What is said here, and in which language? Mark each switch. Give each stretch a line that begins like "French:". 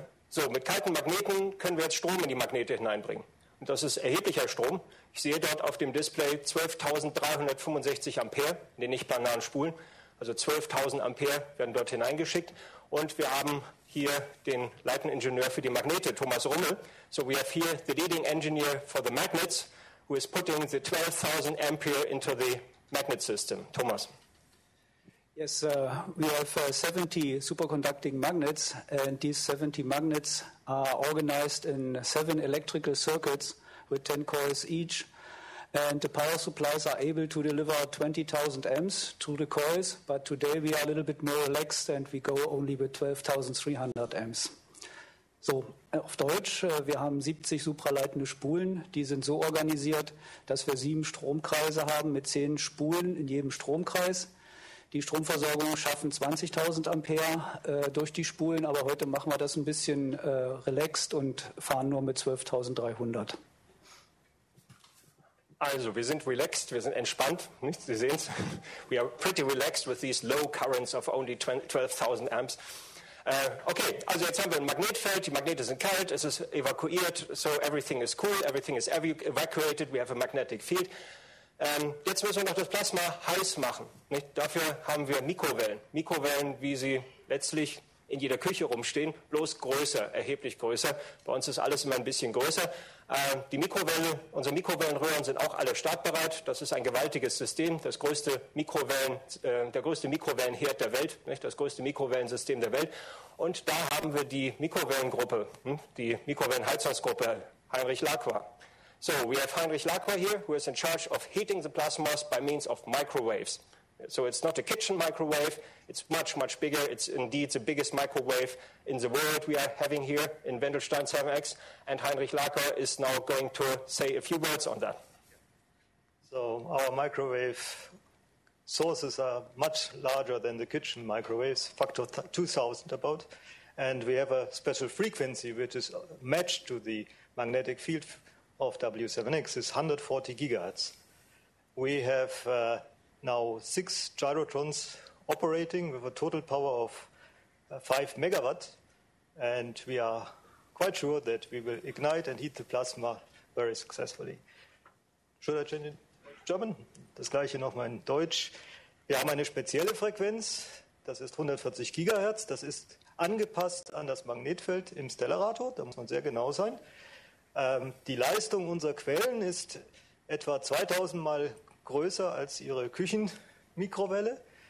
German: So, mit kalten Magneten können wir jetzt Strom in die Magnete hineinbringen. Und das ist erheblicher Strom. Ich sehe dort auf dem Display 12.365 Ampere in den nicht-planaren Spulen. Also 12.000 Ampere werden dort hineingeschickt. Und wir haben hier den leitenden Ingenieur für die Magnete, Thomas Rummel.
English: So we have here the leading engineer for the magnets, who is putting the 12,000 ampere into the magnet system. Thomas. Yes, we have 70 superconducting magnets, and these 70 magnets are organized in 7 electrical circuits with 10 coils each. And the power supplies are able to deliver 20,000 amps to the coils, but today we are a little bit more relaxed and we go only with 12,300 amps.
German: So, auf Deutsch, wir haben 70 supraleitende Spulen, die sind so organisiert, dass wir 7 Stromkreise haben mit 10 Spulen in jedem Stromkreis. Die Stromversorgung schaffen 20.000 Ampere durch die Spulen, aber heute machen wir das ein bisschen relaxed und fahren nur mit 12.300. Also, wir sind relaxed, wir sind entspannt, nicht? Sie sehen es.
English: We are pretty relaxed with these low currents of only 12,000 amps.
German: Okay, also jetzt haben wir ein Magnetfeld, die Magnete sind kalt, es ist evakuiert,
English: so everything is cool, everything is evacuated, we have a magnetic field.
German: Jetzt müssen wir noch das Plasma heiß machen, nicht? Dafür haben wir Mikrowellen. Mikrowellen, wie sie letztlich in jeder Küche rumstehen, bloß größer, erheblich größer. Bei uns ist alles immer ein bisschen größer. Die Mikrowelle, unsere Mikrowellenröhren sind auch alle startbereit. Das ist ein gewaltiges System, der größte Mikrowellenherd der Welt, nicht? Das größte Mikrowellensystem der Welt. Und da haben wir die Mikrowellengruppe, die Mikrowellenheizungsgruppe, Heinrich Lacroix.
English: So, we have Heinrich Lacroix here, who is in charge of heating the plasmas by means of microwaves. So it's not a kitchen microwave, it's much, much bigger. It's indeed the biggest microwave in the world we are having here in Wendelstein 7X. And Heinrich Lacroix is now going to say a few words on that. So our microwave sources are much larger than the kitchen microwaves, factor 2,000 about. And we have a special frequency which is matched to the magnetic field of W7X. It's 140 gigahertz. We have now 6 gyrotrons operating with a total power of 5 megawatt, and we are quite sure that we will ignite and heat the plasma very successfully. Should I change in German?
German: Das gleiche nochmal in Deutsch. Wir haben eine spezielle Frequenz, das ist 140 Gigahertz, das ist angepasst an das Magnetfeld im Stellarator, da muss man sehr genau sein. Die Leistung unserer Quellen ist etwa 2000 mal größer als Ihre Küchenmikrowelle.